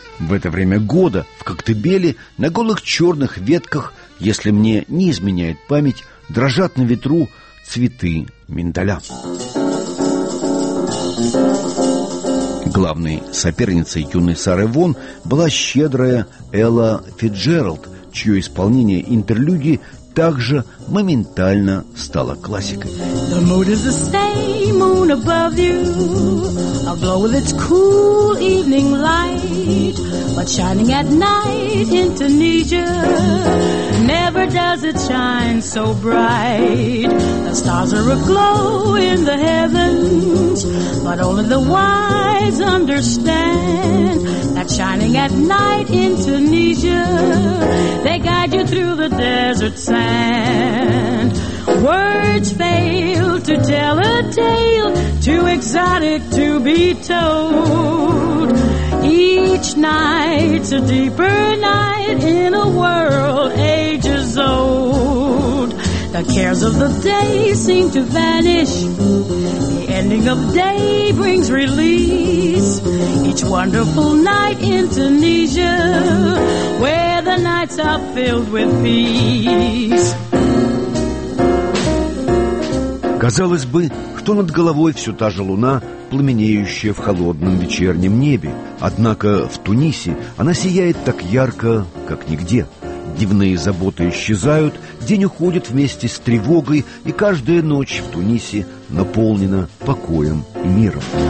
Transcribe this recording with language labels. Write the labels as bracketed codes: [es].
[ru] В это время года в Коктебеле на голых черных ветках, если мне не изменяет память, дрожат на ветру цветы миндаля. Главной соперницей юной Сары Вон была щедрая Элла Фицджеральд, чье исполнение интерлюдии также моментально стало классикой. [en] The moon is the same moon above you, aglow with its cool evening light, but shining at night in Tunisia, never does it shine so bright. The stars are aglow in the heavens, but only the wise understand that shining at night in Tunisia, they guide you through the desert sand. Words fail to tell a tale too exotic to be told. Each night's a deeper night in a world ages old. The cares of the day seem to vanish. The ending of day brings release. Each wonderful night in Tunisia, where the nights are filled with peace. [ru] Казалось бы, что над головой все та же луна, пламенеющая в холодном вечернем небе. Однако в Тунисе она сияет так ярко, как нигде. Дневные заботы исчезают, день уходит вместе с тревогой, и каждая ночь в Тунисе наполнена покоем и миром.